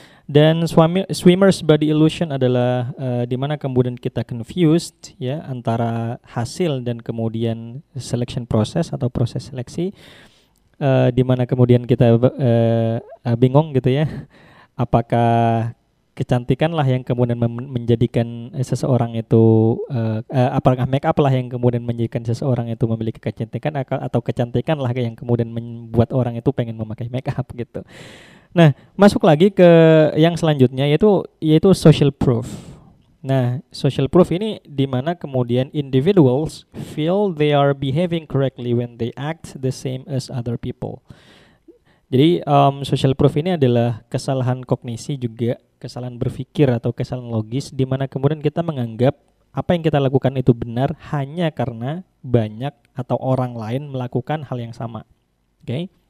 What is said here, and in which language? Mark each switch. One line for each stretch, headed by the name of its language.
Indonesian: Dan swimmer's body illusion adalah di mana kemudian kita confused ya antara hasil dan kemudian selection process atau proses seleksi, di mana kemudian kita bingung gitu ya, apakah kecantikanlah yang kemudian menjadikan seseorang itu apakah make up lah yang kemudian menjadikan seseorang itu memiliki kecantikan, atau kecantikanlah yang kemudian membuat orang itu pengen memakai make up gitu. Nah, masuk lagi ke yang selanjutnya yaitu social proof. Nah, social proof ini di mana kemudian
English: individuals feel they are behaving correctly when they act the same as other people.
Indonesian: Jadi social proof ini adalah kesalahan kognisi juga, kesalahan berpikir atau kesalahan logis di mana kemudian kita menganggap apa yang kita lakukan itu benar hanya karena banyak atau orang lain melakukan hal yang sama. Oke. Okay.